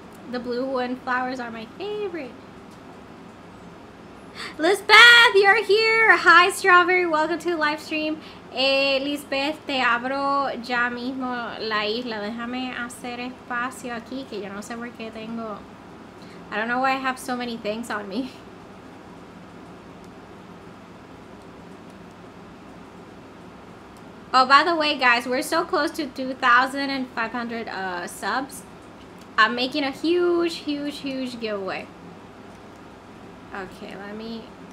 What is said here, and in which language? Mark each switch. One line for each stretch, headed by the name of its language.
English: The blue one flowers are my favorite. Lizbeth, you're here. Hi, Strawberry. Welcome to the live stream.
Spanish: Lizbeth, te abro ya mismo la isla. Déjame hacer espacio aquí, que yo no sé por qué tengo.
English: I don't know why I have so many things on me. Oh, by the way, guys, we're so close to 2,500 subs. I'm making a huge, huge, huge giveaway. Okay, let me.